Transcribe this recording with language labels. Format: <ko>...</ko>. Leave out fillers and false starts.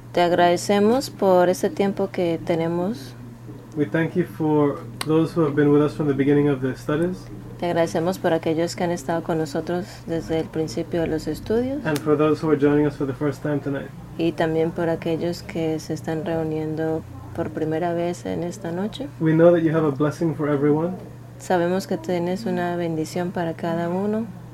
<es>Te agradecemos por este tiempo que tenemos.</es> <en>We thank you for those who have been with us from the beginning of the studies.</en> <es>Te agradecemos por aquellos que han estado con nosotros desde el principio de los estudios.</es> <en>And for those who are joining us for the first time tonight.</en> <es>Y también por aquellos que se están reuniendo por primera vez en esta noche.</es> <en>We know that you have a blessing for everyone.</en> <es>Sabemos que tienes una bendición para cada uno.</es>